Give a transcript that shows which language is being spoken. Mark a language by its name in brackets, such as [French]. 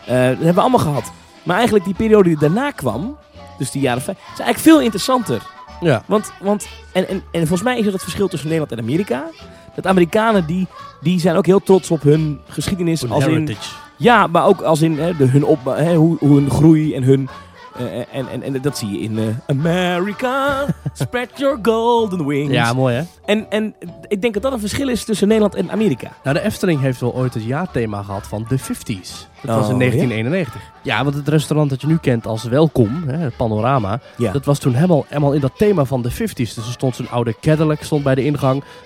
[Dutch] Dat hebben we allemaal gehad. Maar eigenlijk die periode die daarna kwam, dus die jaren 50, is eigenlijk veel interessanter. Ja. Want volgens mij is er het verschil tussen Nederland en Amerika, dat Amerikanen die zijn ook heel trots op hun geschiedenis. Als [English] heritage. [Dutch] Ja, maar ook als in hoe hun groei en hun... En dat zie je in... [English] America, spread your golden wings. [Dutch] Ja, mooi hè. En ik denk dat dat een verschil is tussen Nederland en Amerika. Nou, de Efteling heeft wel ooit het jaarthema gehad van de 50's. Dat was in 1991. Ja? Ja, want het restaurant dat je nu kent als Welkom, het Panorama... Ja. Dat was toen helemaal in dat thema van de 50's. Dus er stond zo'n oude Cadillac stond bij de ingang.